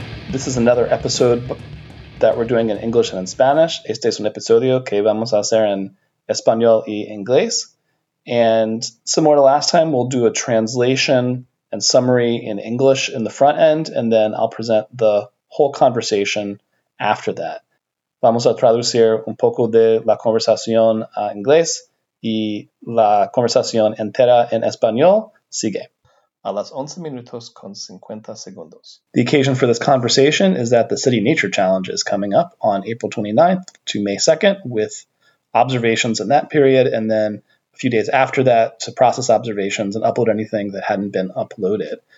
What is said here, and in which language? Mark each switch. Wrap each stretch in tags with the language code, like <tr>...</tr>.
<en>This is another episode that we're doing in English and in Spanish.</en> <es>Este es un episodio que vamos a hacer en español y inglés.</es> <en>And similar to last time, we'll do a translation and summary in English in the front end, and then I'll present the whole conversation after that.</en> <es>Vamos a traducir un poco de la conversación a inglés y la conversación entera en español sigue. A las 11 minutos con 50 segundos.</es> <en>The occasion for this conversation is that the City Nature Challenge is coming up on April 29th to May 2nd with observations in that period, and then a few days after that to process observations and upload anything that hadn't been uploaded.</en>